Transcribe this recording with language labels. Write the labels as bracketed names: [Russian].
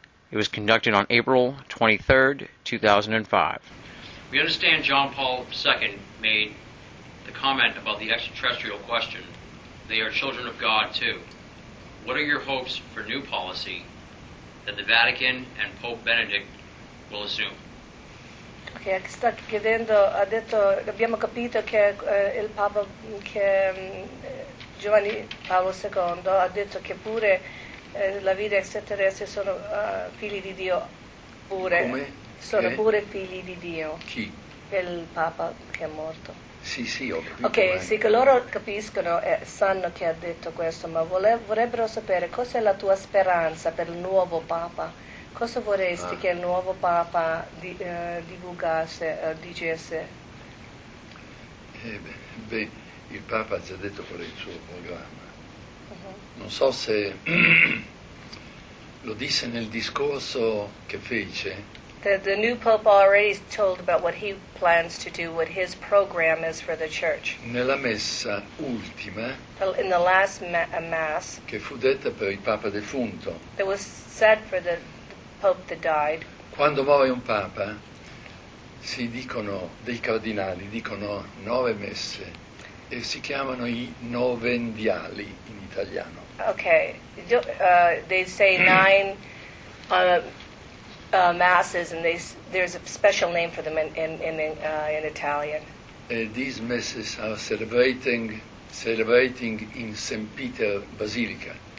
[English] It was conducted on April 23rd, 2005. We understand John Paul II made the comment about the extraterrestrial question. They are children of God, too. What are your hopes for new policy that the Vatican and Pope Benedict will assume? [Italian] Che sta chiedendo, ha detto, abbiamo capito che il Papa, che Giovanni Paolo II ha detto che pure la vita extraterrestre sono figli di Dio, pure. Come? Sono che? Pure figli di Dio. Chi? Il Papa che è morto. Sì, sì, ho capito. Ok, sì, che loro capiscono e sanno che ha detto questo, ma vorrebbero sapere cosa è la tua speranza per il nuovo Papa. Cosa vorresti che il nuovo Papa divulgasse, dicesse? Il Papa ha già detto qual è il suo programma. Non so se lo disse nel discorso che fece. [English] The new Pope already told about what he plans to do, what his program is for the Church. [Italian] Nella messa ultima. [English] In the last mass. [Italian] Che fu detta per il Papa defunto. [English] That was said for the Pope that died. [Italian] Quando muore un Papa, si dicono, dei cardinali dicono nove messe e si chiamano i novendiali in italiano. [English] Okay, they say nine masses and there's a special name for them in Italian. These masses are celebrating in St. Peter Basilica.